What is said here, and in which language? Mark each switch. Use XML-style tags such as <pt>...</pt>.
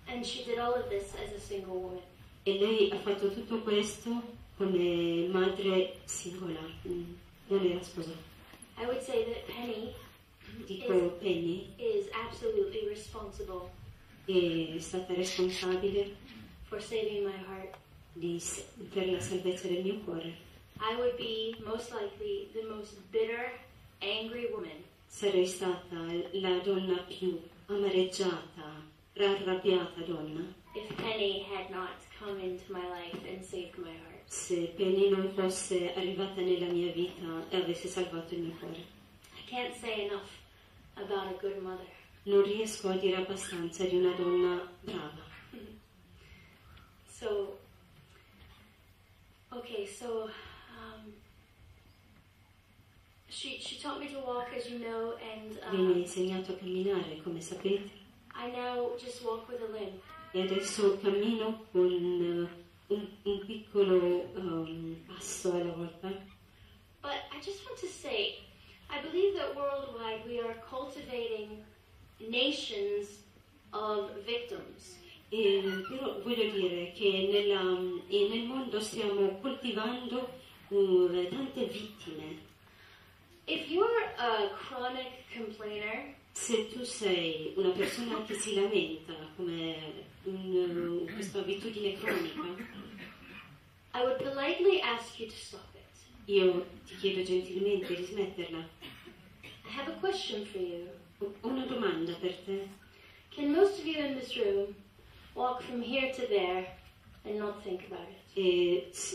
<en>And she did all of this as a single woman.</en> <it>E lei ha fatto tutto questo come madre singola. Non era sposa.</it> <en>I would say that Penny. Penny is absolutely responsible.</en> <it>È stata responsabile</it> <en>for saving my heart.</en> <it>Per la salvezza del mio cuore.</it> <en>I would be most likely the most bitter, angry woman.</en> <it>Sarei stata la donna più amareggiata, arrabbiata donna.</it> <en>If Penny had not come into my life and saved my heart.</en> <it>Se Penny non fosse arrivata nella mia vita e avesse salvato il mio cuore.</it> <en>Can't say enough about a good mother.</en> <it>Non riesco a dire abbastanza di una donna brava.</it> <en>So, okay, so she taught me to walk, as you know, and</en> <it>mi ha insegnato a camminare, come sapete.</it> <en>I now just walk with a limb.</en> <it>E adesso cammino con un piccolo passo alla volta.</it> <en>But I just want to say. I believe that worldwide we are cultivating nations of victims.</en> <it>Però voglio dire che nel mondo stiamo coltivando tante vittime.</it> <en>If you're a chronic complainer,</en> <it>se tu sei una persona che si lamenta come questa abitudine cronica,</it> <en>I would politely ask you to stop it.</en> <it>Io ti chiedo gentilmente di smetterla.</it> <en>I have a question for you.</en> <it>Una domanda per te.</it> <en>Can most of you in this room walk from here to there and not think about it?</en>